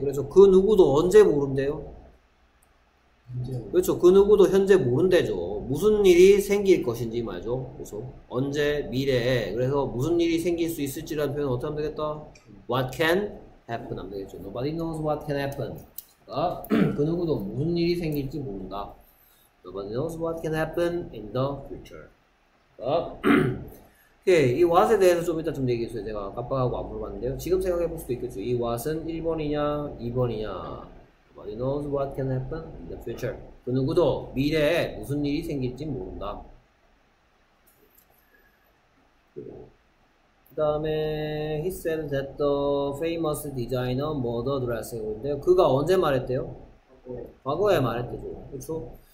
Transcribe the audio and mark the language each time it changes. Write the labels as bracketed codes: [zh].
[ko] 그래서 그 누구도 언제 모른대요? 그렇죠. 그 누구도 현재 모른대죠. 무슨 일이 생길 것인지 말이죠. 그래서 언제 미래에. 그래서 무슨 일이 생길 수 있을지라는 표현을 어떻게 하면 되겠다? [en] What can happen [ko] 하면 되겠죠. [en] Nobody knows what can happen. [ko] 그 누구도 무슨 일이 생길지 모른다. [en] Nobody knows what can happen in the future. [ko] 오케이. 이 what에 대해서 좀 이따 좀 얘기했어요. 제가 깜빡하고 안 물어봤는데요. 지금 생각해 볼 수도 있겠죠. 이 what은 1번이냐, 2번이냐. [en] Nobody knows what can happen in the future. [ko] 그 누구도 미래에 무슨 일이 생길지 모른다. 그 다음에 [en] he said that the famous designer bought a dress [ko] 인데요. 그가 언제 말했대요? 과거에 말했대죠. 그렇죠?